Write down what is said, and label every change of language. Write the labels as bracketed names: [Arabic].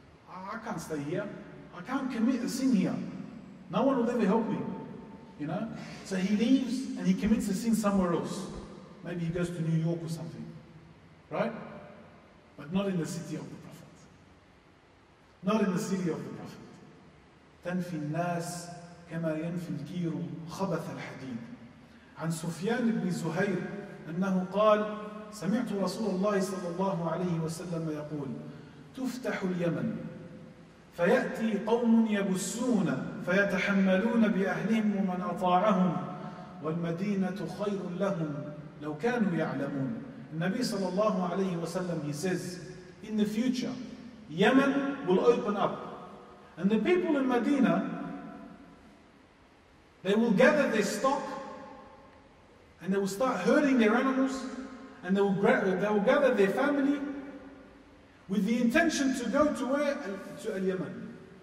[English] I can't stay here. I can't commit a sin here. No one will ever help me." You know? So he leaves and he commits a sin somewhere else. Maybe he goes to New York or something. Right? But not in the city of the Prophet. Not in the city of the Prophet. [Arabic] تَنْفِي النَّاسِ كَمَا يَنْفِي الْكِيرُ خَبَثَ الْحَدِيدِ عن سفيان بن زهير أنه قال سمعت رسول الله صلى الله عليه وسلم يقول تفتح اليمن فيأتي قوم يبسون فيتحملون بأهلهم ومن أطاعهم والمدينة خير لهم لو كانوا يعلمون. [English] النبي صلى الله عليه وسلم, he says, in the future, Yemen will open up. And the people in Medina, they will gather their stock, and they will start herding their animals, and they will gather their family, with the intention to go to where? To Yemen.